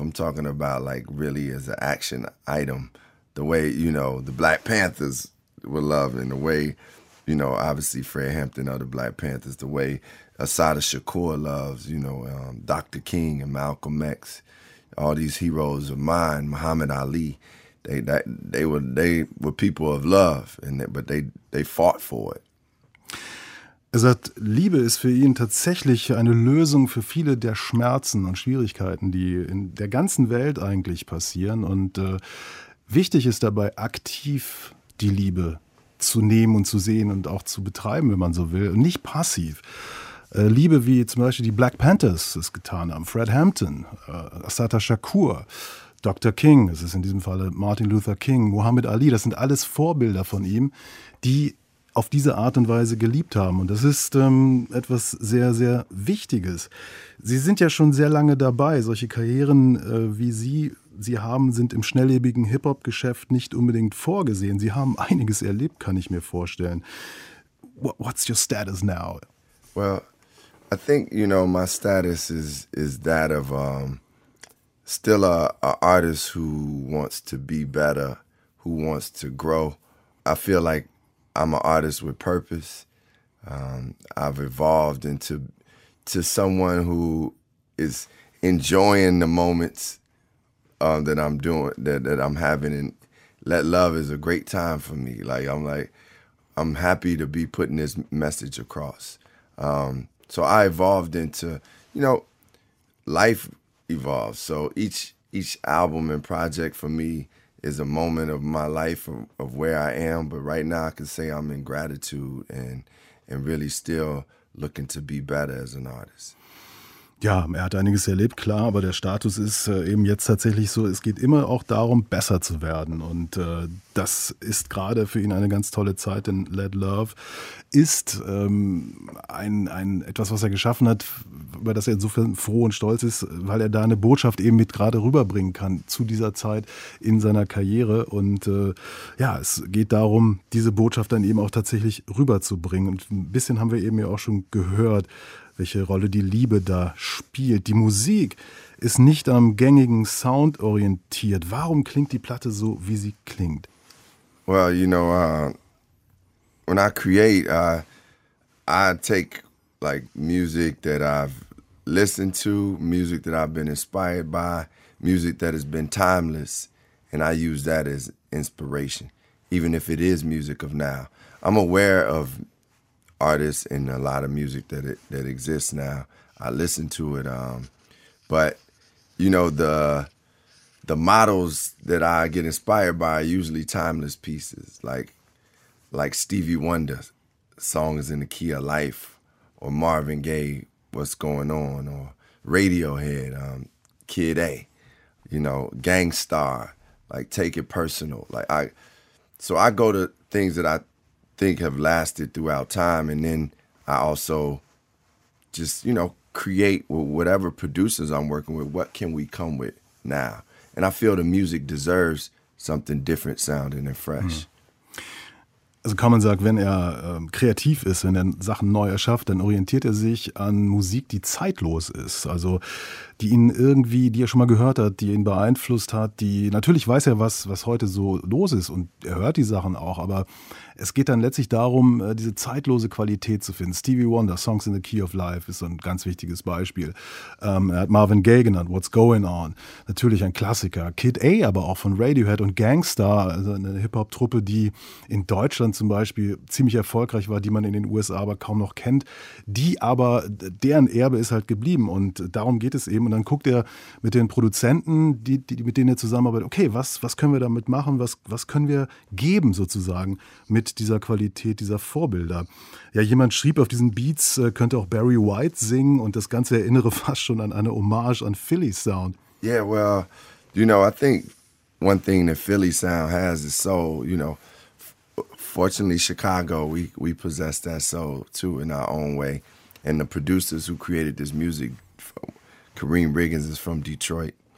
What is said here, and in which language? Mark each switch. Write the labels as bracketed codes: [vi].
[en] I'm talking about like really as an action item. The way, you know, the Black Panthers were loved and the way, you know, obviously Fred Hampton or the Black Panthers, the way Assata Shakur loves, you know, Dr. King and Malcolm X. All these heroes of mine, Muhammad Ali, they were people of love, but they fought for it. [de] Er sagt, Liebe ist für ihn tatsächlich eine Lösung für viele der Schmerzen und Schwierigkeiten, die in der ganzen Welt eigentlich passieren. Und wichtig ist dabei, aktiv die Liebe zu nehmen und zu sehen und auch zu betreiben, wenn man so will, und nicht passiv. Liebe, wie zum Beispiel die Black Panthers es getan haben, Fred Hampton, Assata Shakur, Dr. King, es ist in diesem Falle Martin Luther King, Muhammad Ali, das sind alles Vorbilder von ihm, die auf diese Art und Weise geliebt haben. Und das ist etwas sehr, sehr Wichtiges. Sie sind ja schon sehr lange dabei. Solche Karrieren, wie Sie haben, sind im schnelllebigen Hip-Hop-Geschäft nicht unbedingt vorgesehen. Sie haben einiges erlebt, kann ich mir vorstellen. [en] What's your status now? Well, I think, you know, my status is that of still a artist who wants to be better, who wants to grow. I feel like I'm an artist with purpose. I've evolved into someone who is enjoying the moments that I'm having. And Let Love is a great time for me. Like, I'm happy to be putting this message across. So I evolved into, you know, life evolves. So each album and project for me is a moment of my life of where I am. But right now I can say I'm in gratitude and really still looking to be better as an artist. [de] Ja, er hat einiges erlebt, klar, aber der Status ist eben jetzt tatsächlich so, es geht immer auch darum, besser zu werden. Und das ist gerade für ihn eine ganz tolle Zeit, denn Let Love ist ein etwas, was er geschaffen hat, über das er insofern froh und stolz ist, weil er da eine Botschaft eben mit gerade rüberbringen kann zu dieser Zeit in seiner Karriere. Und ja, es geht darum, diese Botschaft dann eben auch tatsächlich rüberzubringen. Und ein bisschen haben wir eben ja auch schon gehört, welche Rolle die Liebe da spielt. Die Musik ist nicht am gängigen Sound orientiert. Warum klingt die Platte so, wie sie klingt? [en] Well, you know, when I create, I take like music that I've listened to, music that I've been inspired by, music that has been timeless, and I use that as inspiration, even if it is music of now. I'm aware of artists and a lot of music that exists now. I listen to it, but you know, the models that I get inspired by are usually timeless pieces, like Stevie Wonder, Songs in the Key of Life, or Marvin Gaye, What's Going On, or Radiohead, Kid A, you know, Gangstar, like Take It Personal. So I go to things that I think have lasted throughout time, and then I also just, you know, create with whatever producers I'm working with, what can we come with now? And I feel the music deserves something different sounding and fresh. [de] Also Common sagt, wenn er kreativ ist, wenn er Sachen neu erschafft, dann orientiert er sich an Musik, die zeitlos ist. Also die ihn irgendwie, die er schon mal gehört hat, die ihn beeinflusst hat. Die natürlich weiß er, was heute so los ist, und er hört die Sachen auch. Aber es geht dann letztlich darum, diese zeitlose Qualität zu finden. Stevie Wonder, Songs in the Key of Life, ist so ein ganz wichtiges Beispiel. Er hat Marvin Gaye genannt, What's Going On. Natürlich ein Klassiker. Kid A aber auch von Radiohead und Gangstar, also eine Hip-Hop-Truppe, die in Deutschland zum Beispiel ziemlich erfolgreich war, die man in den USA aber kaum noch kennt. Die aber, deren Erbe ist halt geblieben, und darum geht es eben. Und dann guckt er mit den Produzenten, die mit denen er zusammenarbeitet, okay, was können wir damit machen, was können wir geben sozusagen mit dieser Qualität dieser Vorbilder. Ja, jemand schrieb, auf diesen Beats könnte auch Barry White singen, und das Ganze erinnere fast schon an eine Hommage an Philly Sound. [en] Yeah, well, you know, I think one thing that Philly Sound has is soul, you know. Fortunately, Chicago, we possess that soul too in our own way. And the producers who created this music, Kareem Riggins is from Detroit.